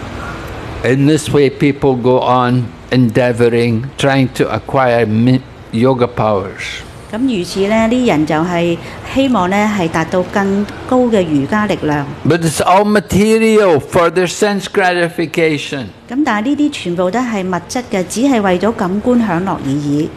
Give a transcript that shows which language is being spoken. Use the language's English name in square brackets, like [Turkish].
[English] this way, people go on endeavoring, trying to acquire yoga powers. [Chinese] 如此,這些人就希望達到更高的瑜伽力量。 [English] But it's all material for their sense gratification. [Chinese] 但這些全部都是物質的,只是為了感官享樂而已。